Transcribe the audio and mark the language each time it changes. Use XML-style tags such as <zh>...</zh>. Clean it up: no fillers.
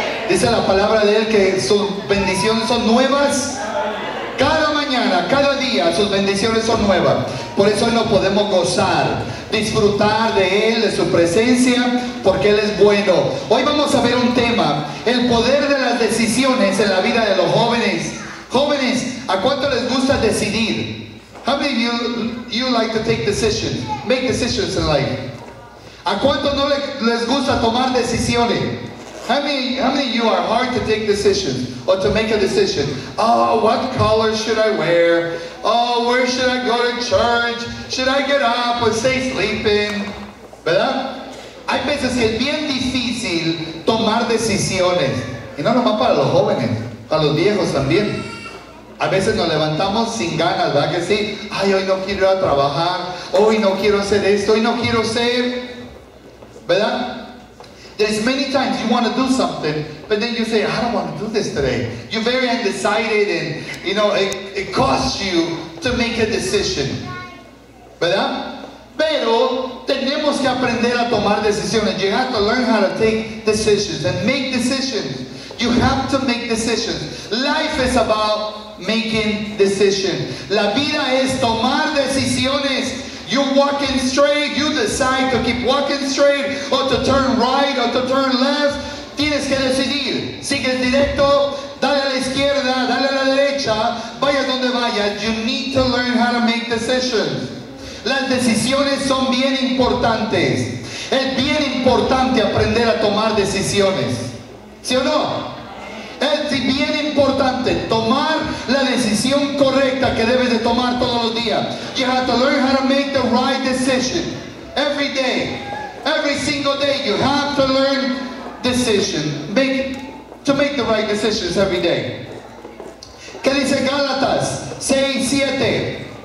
<es>Dice la palabra de Él que sus bendiciones son nuevas cada mañana, cada día. Sus bendiciones son nuevas. Por eso hoy nos podemos gozar, disfrutar de Él, de su presencia, porque Él es bueno. Hoy vamos a ver un tema: el poder de las decisiones en la vida de los jóvenes. Jóvenes, ¿a cuánto les gusta decidir?</es> <en>How many of you like to take decisions, make decisions in life?</en> <es>¿A cuánto no les gusta tomar decisiones?</es> <en>How many of you are hard to take decisions or to make a decision? Oh, what color should I wear? Oh, where should I go to church? Should I get up or stay sleeping? ¿Verdad?</en> <es>Hay veces que es bien difícil tomar decisiones. Y no nomás para los jóvenes, para los viejos también. A veces nos levantamos sin ganas, ¿verdad? Que sí, ay, hoy no quiero ir a trabajar. Hoy no quiero hacer esto. Hoy no quiero ser. ¿Verdad?</es> <en>There's many times you want to do something, but then you say, I don't want to do this today. You're very undecided, and you know, it costs you to make a decision. ¿Verdad?</en> <es>Pero tenemos que aprender a tomar decisiones.</es> <en>You have to learn how to take decisions and make decisions. You have to make decisions. Life is about making decisions.</en> <es>La vida es tomar decisiones.</es> <en>You're walking straight, you decide to keep walking straight, or to turn right, or to turn left.</en> <es>Tienes que decidir. Sigue directo, dale a la izquierda, dale a la derecha, vaya donde vaya.</es> <en>You need to learn how to make decisions.</en> <es>Las decisiones son bien importantes. Es bien importante aprender a tomar decisiones. ¿Sí o no? Es bien importante tomar la decisión correcta que debes de tomar todos los días. día.</es> <en>You have to learn how to make the right decision. Every day, every single day, you have to learn decision. To make the right decisions every day.</en> <es>¿Qué dice Gálatas 6:7?</es>